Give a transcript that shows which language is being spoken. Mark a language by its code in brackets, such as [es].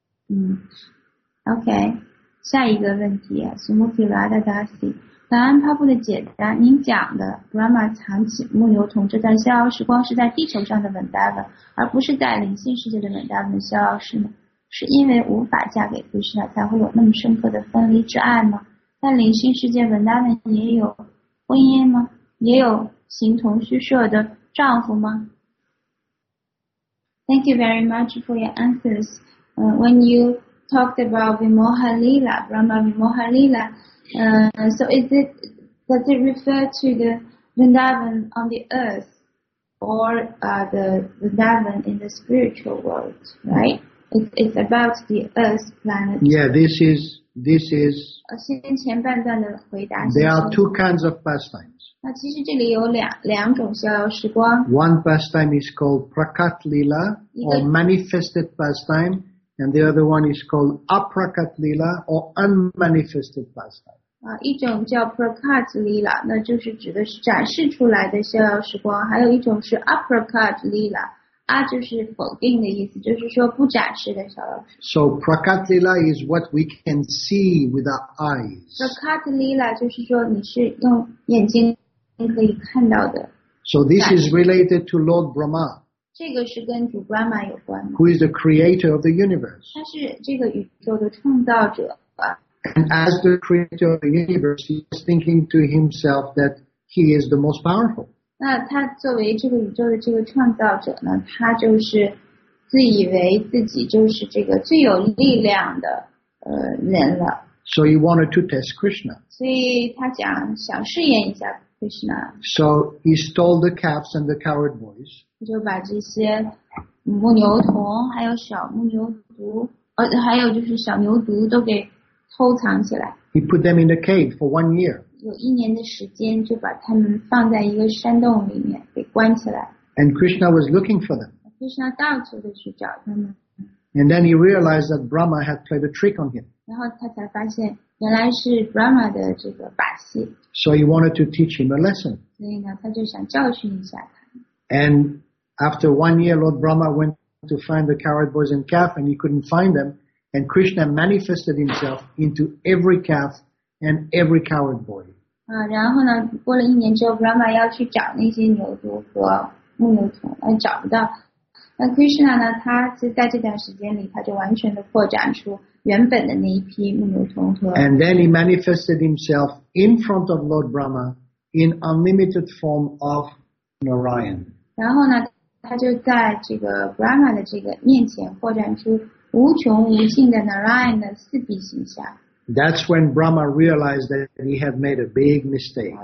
[zh] OK, 下一个问题 Sumukhi Radha Dasi, 感恩帕布的解答，您讲的 Brahma 藏起牧牛童这段逍遥时光是在地球上的 Vrindavan, 而不是在灵性世界的 Vrindavan 的逍遥时呢，是因为无法嫁给 Krishna 才会有那么深刻的分离之爱吗？在灵性世界 Vrindavan 也有婚姻吗？也有形同虚设的丈夫吗？ [en] Thank you very much for your answers. When you talked about Vimoha Lila, Brahma Vimoha Lila, so does it refer to the Vrindavan on the earth or the Vrindavan in the spiritual world, right? It's about the earth planet. Yeah, this is. There are two kinds of pastimes. [zh] 那其实这里有两种逍遥时光。 [en] One pastime is called Prakat Lila or manifested pastime. And the other one is called Aprakat Lila or Unmanifested Pastime. [zh] 一种叫 Prakat Lila, 那就是指的是展示出来的逍遥时光，还有一种是 Aprakat Lila, 阿就是否定的意思，就是说不展示的小老鼠。 [en] So prakatlila is what we can see with our eyes. [zh] Prakatlila 就是说你是用眼睛可以看到的。 [en] So this is related to Lord Brahma. [zh] 这个是跟主 Brahma 有关吗？ [en] Who is the creator of the universe? [zh] 他是这个宇宙的创造者。 [en] And as the creator of the universe, he is thinking to himself that he is the most powerful. [zh] 那他作为这个宇宙的这个创造者呢，他就是自以为自己就是这个最有力量的人了。 [en] So he wanted to test Krishna. [zh] 所以他讲想试验一下 Krishna. [en] So he stole the calves and the cowherd boys. [zh] 就把这些母牛童还有小母牛犊，还有就是小牛犊都给。偷藏起来。 [en] He put them in a cave for 1 year. [zh] 有一年的时间就把他们放在一个山洞里面给关起来。 [en] And Krishna was looking for them. [zh] Krishna 到处的去找他们。 [en] And then he realized that Brahma had played a trick on him. [zh] 然后他才发现原来是 Brahma 的这个把戏。 [en] So he wanted to teach him a lesson. [zh] 所以呢，他就想教训一下他。 [en] And after 1 year, Lord Brahma went to find the cowherd boys and calf, and he couldn't find them. And Krishna manifested himself into every calf and every cowherd boy. [zh] 啊，然后呢，过了一年之后 ，Brahma 要去找那些牛犊和牧牛童，但找不到。那 Krishna 呢，他是在这段时间里，他就完全的扩展出原本的那一批牧牛童和。 [en] And then he manifested himself in front of Lord Brahma in unlimited form of Narayan. [zh] 然后呢，他就在这个 Brahma 的这个面前扩展出。无穷无尽的 Narayan 的四臂形象。 [en] That's when Brahma realized that he had made a big mistake.